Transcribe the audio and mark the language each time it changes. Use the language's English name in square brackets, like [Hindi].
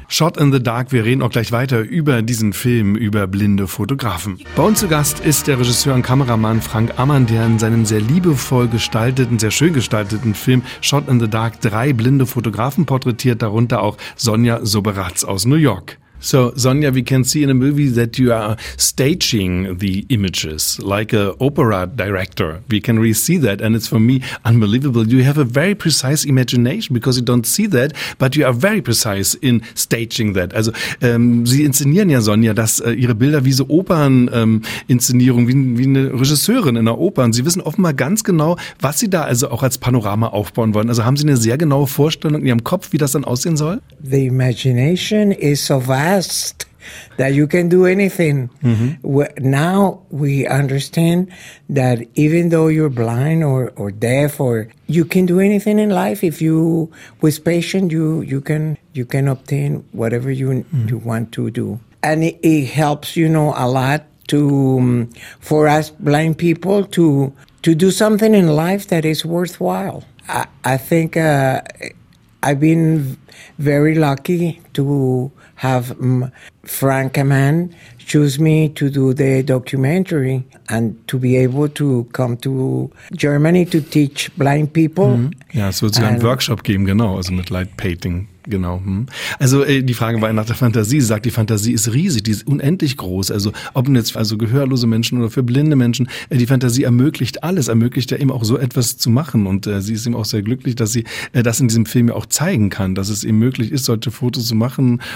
[German] Shot in the Dark, wir reden auch gleich weiter über diesen Film, über blinde Fotografen. Bei uns zu Gast ist der Regisseur und Kameramann Frank Ammann, der in seinem sehr liebevoll gestalteten, sehr schön gestalteten Film Shot in the Dark drei blinde Fotografen porträtiert, darunter auch Sonja Soberatz aus New York. [English] So, Sonja, we can see in a movie that you are staging the images like a opera director. We can really see that. And it's, for me, unbelievable. You have a very precise imagination because you don't see that, but you are very precise in staging that. [German] Also, Sie inszenieren ja, Sonja, dass Ihre Bilder wie so Opern-Inszenierungen, wie eine Regisseurin in einer Oper. Und Sie wissen offenbar ganz genau, was Sie da also auch als Panorama aufbauen wollen. Also haben Sie eine sehr genaue Vorstellung in Ihrem Kopf, wie das dann aussehen soll? [English] The imagination is so vast. That you can do anything. Mm-hmm. Now we understand that even though you're blind or deaf, or you can do anything in life if you, with patience, you can obtain whatever you want to do. And it helps, you know, a lot to for us blind people to do something in life that is worthwhile. I think I've been very lucky to have Frank Ammann choose me to do the documentary and to be able to come to Germany to teach blind people. [German] Ja, es wird sogar einen Workshop geben, genau, also mit Light Painting, genau. Also die Frage war nach der Fantasie. Sie sagt, die Fantasie ist riesig, die ist unendlich groß. Also ob jetzt also gehörlose Menschen oder für blinde Menschen, die Fantasie ermöglicht alles, ermöglicht ja eben auch so etwas zu machen. Und sie ist eben auch sehr glücklich, dass sie das in diesem Film ja auch zeigen kann, dass es eben möglich ist, solche Fotos zu machen.